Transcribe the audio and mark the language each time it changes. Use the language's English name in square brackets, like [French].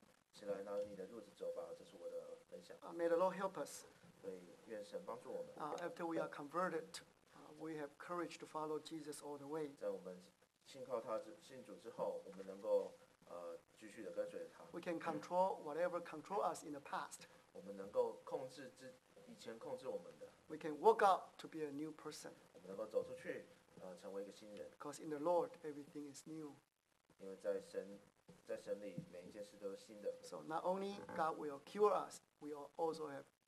[Chinese] 所以这个是起来拿你的褥子走吧，这是我的分享。 [English] May the Lord help us. [Chinese] 所以愿神帮助我们。 [English] After we are converted. We have courage to follow Jesus all the way. [Chinese] 在我们信靠他、信主之后，我们能够继续的跟随他。 [English] We can control whatever control us in the past. [Chinese] 我们能够控制以前控制我们的。 [English] We can walk out to be a new person. [Chinese] 我们能够走出去，成为一个新人。 [English] Because in the Lord, everything is new. [Chinese] 因为在神里，每一件事都是新的。 [English] So not only God will cure us, we also have.